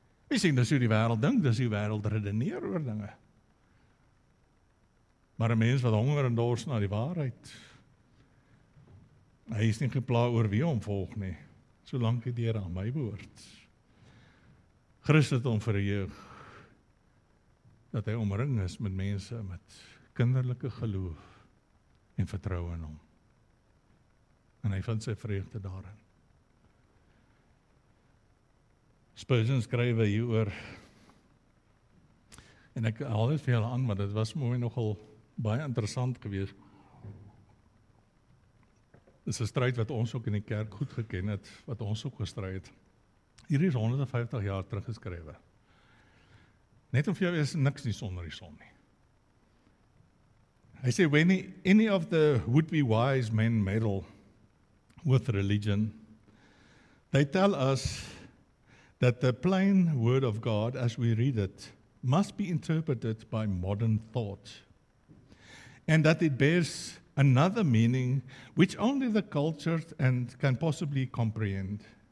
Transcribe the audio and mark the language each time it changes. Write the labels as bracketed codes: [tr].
[af] Jy sien, dis hoe die wêreld dink, dis hoe die wêreld redeneer oor dinge. Maar 'n mens wat honger en dors na die waarheid, hy is nie gepla oor wie hom volg nie, solank die Here aan my behoort. Christus het hom verheug, dat hy omring is met mense met kinderlike geloof en vertrouwe in hom. En hy vind sy vreugde daarin. Spurgeon skrywe hieroor, en ek haal dit vir julle aan, want dit was mooi nogal baie interessant geweest. Dit is 'n stryd wat ons ook in die kerk goed geken het, wat ons ook gestry het. Hier is 150 jaar teruggeskrywe. Net of jou is niks nie sonder die son nie. Hy sê, [en] when any of the would-be wise men meddle with religion, they tell us that the plain word of God as we read it must be interpreted by modern thought, and that it bears another meaning which only the cultured and can possibly comprehend.